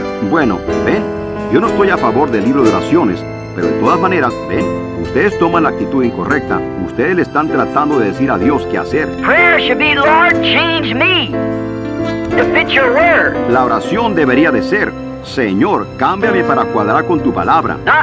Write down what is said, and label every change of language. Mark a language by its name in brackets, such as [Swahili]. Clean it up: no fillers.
[Spanish] Bueno, ven, yo no estoy a favor del libro de oraciones, pero de todas maneras, ven, ustedes toman la actitud incorrecta. Ustedes le están tratando de decir a Dios qué hacer. [English] Prayer should be, Lord, change me to fit your word. [Spanish] La oración debería de ser, Señor, cámbiame para cuadrar con tu palabra.